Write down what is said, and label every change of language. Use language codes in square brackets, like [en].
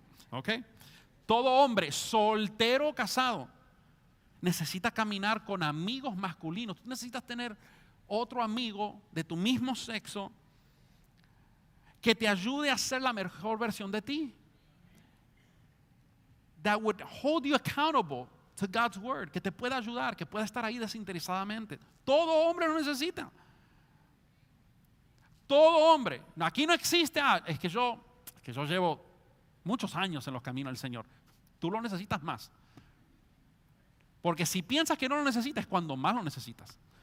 [es] Okay. Todo hombre, soltero o casado, necesitas caminar con amigos masculinos. Tú necesitas tener otro amigo de tu mismo sexo que te ayude a ser la mejor versión de ti. [en] That would hold you accountable to God's word. [es] Que te pueda ayudar, que pueda estar ahí desinteresadamente. Todo hombre lo necesita. Todo hombre. Aquí no existe, es que yo llevo muchos años en los caminos del Señor. Tú lo necesitas más. Porque si piensas que no lo necesitas, es cuando más lo necesitas.